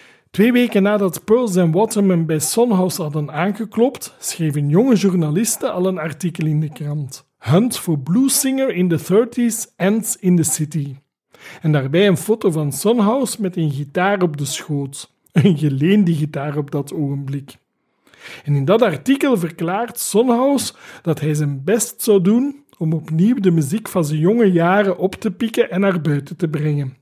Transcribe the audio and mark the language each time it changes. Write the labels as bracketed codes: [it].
[nl] Twee weken nadat Pearls en Waterman bij Son House hadden aangeklopt, schreven jonge journalisten al een artikel in de krant. [en] Hunt for Blues Singer in the 30s Ends in the City. [nl] En daarbij een foto van Son House met een gitaar op de schoot. Een geleende gitaar op dat ogenblik. En in dat artikel verklaart Son House dat hij zijn best zou doen om opnieuw de muziek van zijn jonge jaren op te pikken en naar buiten te brengen.